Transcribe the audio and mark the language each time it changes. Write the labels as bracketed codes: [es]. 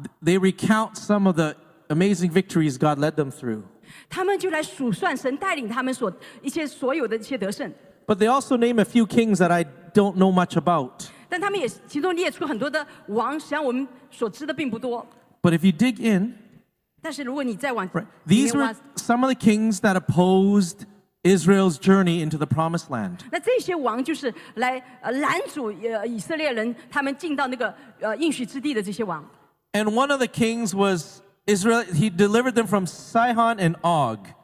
[en] They recount some of the amazing victories God led them through. [zh] 他们就来数算神带领他们所有的一些得胜。 [en] But they also name a few kings that I don't know much about. [zh] 但他们也其中列出很多的王，实际上我们所知的并不多。 [en] But if you dig in, [zh] 但是如果你再往， [en] right, these were some of the kings that opposed Israel's journey into the promised land. [zh] 那这些王就是来拦阻以色列人他们进到那个应许之地的这些王。 [en] And one of the kings was Israel. He delivered them from Sihon and Og.